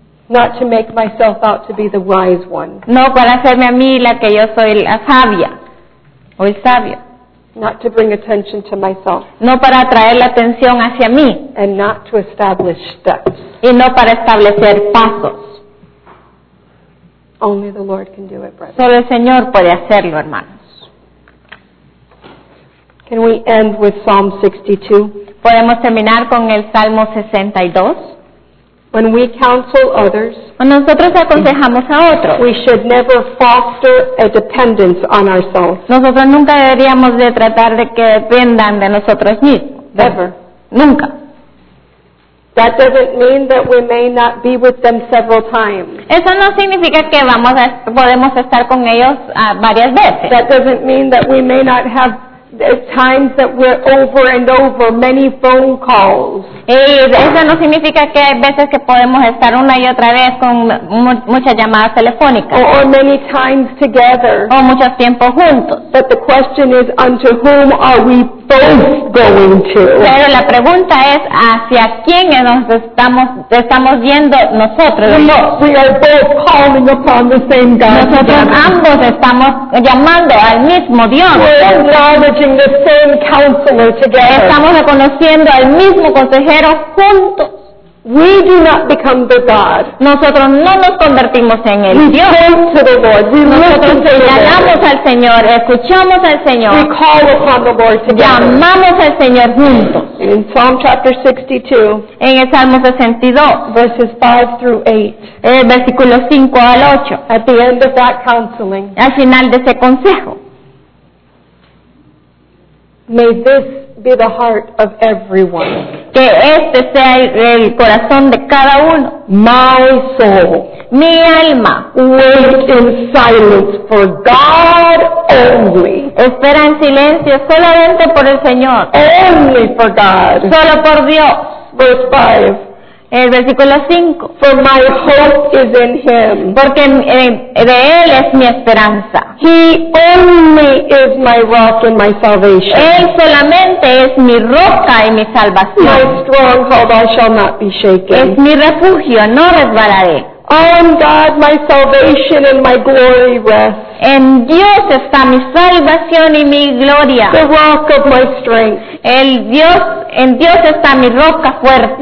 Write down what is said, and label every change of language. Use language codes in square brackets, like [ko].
[en] Not to make myself out to be the wise one. [es] No para hacerme a mí la que yo soy la sabia o el sabio. [en] Not to bring attention to myself. [es] No para atraer la atención hacia mí. [en] And not to establish steps. [es] Y no para establecer pasos. [en] Only the Lord can do it, brother. [es] Solo el Señor puede hacerlo, hermanos. [en] Can we end with Psalm 62? [es] ¿Podemos terminar con el Salmo 62? [en] When we counsel others, [es] cuando nosotros aconsejamos a otros, [en] we should never foster a dependence on ourselves. [es] Nosotros nunca deberíamos de tratar de que dependan de nosotros mismos. [en] Ever. [es] Nunca. [en] That doesn't mean that we may not be with them several times. [es] Eso no significa que podemos estar con ellos varias veces. [en] That doesn't mean that we may not have times that we're over and over many phone calls. [es] Eso no significa que hay veces que podemos estar una y otra vez con muchas llamadas telefónicas. [en] Or many times together. [es] O muchos tiempos juntos. [en] But the question is, unto whom are we both going to? [es] Pero la pregunta es, ¿hacia quién nos estamos viendo nosotros? [en] No, we are both calling upon the same God. [es] Nosotros [en] together. [es] Ambos estamos llamando al mismo Dios. [en] We're acknowledging the same counselor together. [es] Estamos reconociendo al mismo consejero. Pero juntos, [en] we do not become the God. [es] Nosotros no nos convertimos en el Dios. [en] We listen to the Lord. [es] Nosotros llamamos al Señor, escuchamos al Señor. [en] We call upon the Lord together. [es] Llamamos al Señor juntos. [en] In Psalm chapter 62, [es] en el Salmo 62, [en] verses 5 through 8, [es] el versículo 5 al 8, [en] at the end of that counseling, [es] al final de ese consejo, [en] may this be the heart of everyone. [es] Que este sea el corazón de cada uno. [en] My soul. [es] Mi alma. [en] Wait in silence for God only. [es] Espera en silencio solamente por el Señor. [en] Only for God. [es] Solo por Dios. [en] Verse 5. [es] El versículo 5. [en] For my hope is in Him. [es] Porque de Él es mi esperanza. [en] He only is my rock and my salvation. [es] Él solamente es mi roca y mi salvación. [en] My stronghold, I shall not be shaken. [es] Es mi refugio, no resbalaré. [en] On God, my salvation and my glory rest. [es] En Dios está mi salvación y mi gloria. [en] The rock of my strength. [es] En Dios está mi roca fuerte.